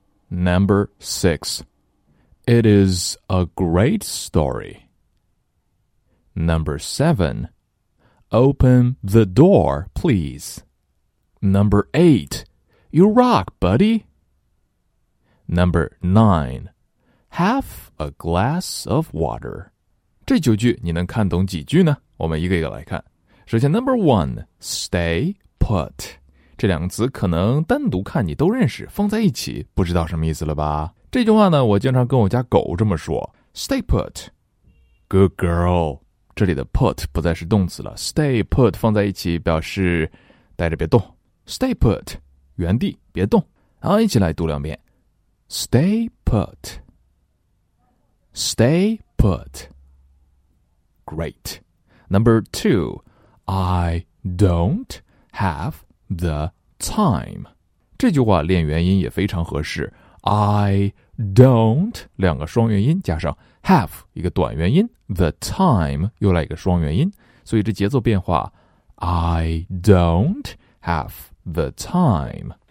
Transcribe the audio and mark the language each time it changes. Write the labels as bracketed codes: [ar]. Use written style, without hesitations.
[en] Number 6, it is a great story. Number 7, open the door, please. Number 8, you rock, buddy. Number 9, half a glass of water. [zh] 这九句你能看懂几句呢？我们一个一个来看。 [en] 首先 ,number one, stay put. [zh] 这两个词可能单独看你都认识，放在一起不知道什么意思了吧。这句话呢我经常跟我家狗这么说。 [en] Stay put. Good girl. [zh] 这里的 put 不再是动词了。Stay put 放在一起表示待着别动。 [en] Stay put. [zh] 原地别动。然后一起来读两遍。 [en] Stay put. Stay put. Great. Number 2, I don't have the time. [zh] 这句话练元音也非常合适。 [en] I don't, [zh] 两个双元音加上 have, 一个短元音 the time, 又来一个双元音。所以这节奏变化 [en] I don't have the time.